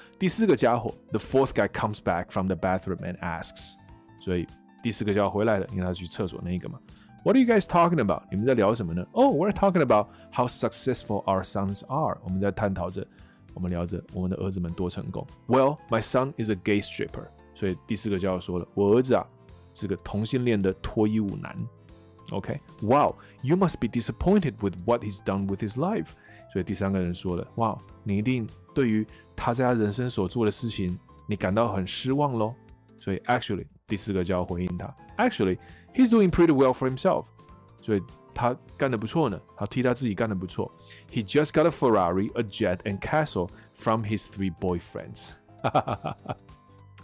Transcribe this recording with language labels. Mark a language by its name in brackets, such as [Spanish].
[Chinese] 第四个家伙 [English] ，the fourth guy comes back from the bathroom and asks， [Chinese] 所以第四个家伙回来了，因为他去厕所那一个嘛。 [English] What are you guys talking about？ [Chinese] 你们在聊什么呢 [English] ？Oh， we're talking about how successful our sons are。 [Chinese] 我们在探讨着，我们聊着我们的儿子们多成功。 [English] Well， my son is a gay stripper。 [Chinese] 所以第四个家伙说了，我儿子啊是个同性恋的脱衣舞男。 [English] OK， wow， you must be disappointed with what he's done with his life。 [Chinese] 所以第三个人说了，哇、wow ，你一定对于他在他人生所做的事情，你感到很失望咯。所以 actually 第四个就要回应他 ， [English] actually he's doing pretty well for himself， [Chinese] 所以他干得不错呢，他替他自己干得不错。 [English] He just got a Ferrari, a jet, and castle from his three boyfriends 。